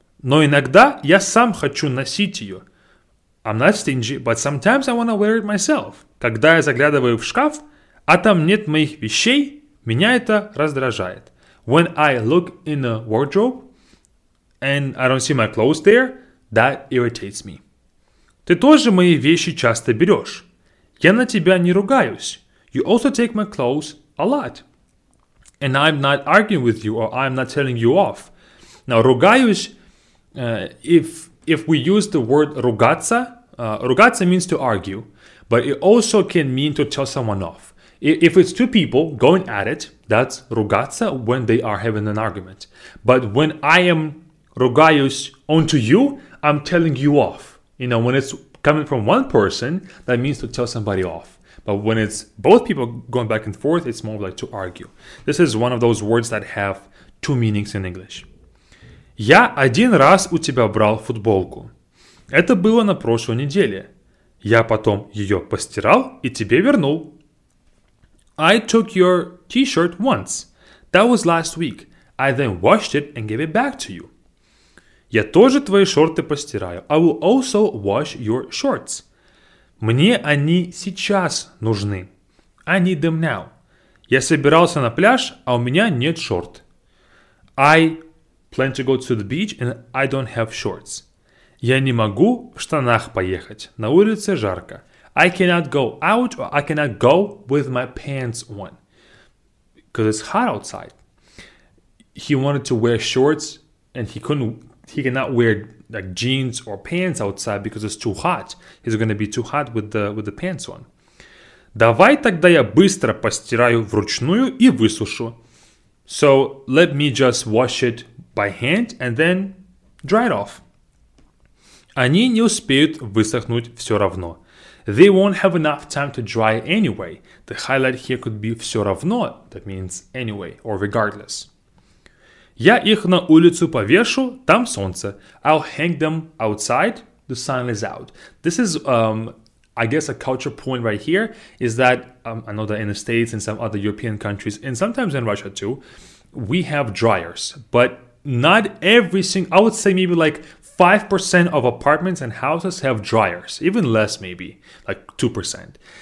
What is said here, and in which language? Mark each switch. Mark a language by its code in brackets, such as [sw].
[ru] Но иногда я сам хочу носить ее. [en] I'm not stingy, but sometimes I want to wear it myself. [ru] Когда я заглядываю в шкаф, а там нет моих вещей, меня это раздражает. [en] When I look in a wardrobe and I don't see my clothes there, that irritates me. [ru] Ты тоже мои вещи часто берешь. Я на тебя не ругаюсь. [en] You also take my clothes a lot. And I'm not arguing with you or I'm not telling you off. Now, ругаюсь... If we use the word ругаться, ругаться means to argue, but it also can mean to tell someone off. If it's two people going at it, that's ругаться when they are having an argument. But when I am ругаюсь onto you, I'm telling you off. You know, when it's coming from one person, that means to tell somebody off. But when it's both people going back and forth, it's more like to argue. This is one of those words that have two meanings in English. [ru] Я один раз у тебя брал футболку. Это было на прошлой неделе. Я потом ее постирал и тебе вернул. [en] I took your t-shirt once. That was last week. I then washed it and gave it back to you. [ru] Я тоже твои шорты постираю. [en] I will also wash your shorts. [ru] Мне они сейчас нужны. [en] I need them now. [ru] Я собирался на пляж, а у меня нет шорт. [en] I plan to go to the beach and I don't have shorts. [ru] Я не могу в штанах поехать. На улице жарко. [en] I cannot go out or I cannot go with my pants on. Because it's hot outside. He wanted to wear shorts and he couldn't, he cannot wear like jeans or pants outside because it's too hot. He's going to be too hot with the pants on. [ru] Давай тогда я быстро постираю вручную и высушу. [en] So let me just wash it by hand and then dry it off. [ru] Они не успеют высохнуть все равно. [en] They won't have enough time to dry anyway. The highlight here could be все равно. That means anyway or regardless. [ru] Я их на улицу повешу, там солнце. [en] I'll hang them outside, the sun is out. This is, I guess, a culture point right here, is that I know that in the States and some other European countries, and sometimes in Russia too, we have dryers. But not every single, I would say maybe like 5% of apartments and houses have dryers, even less maybe, like 2%.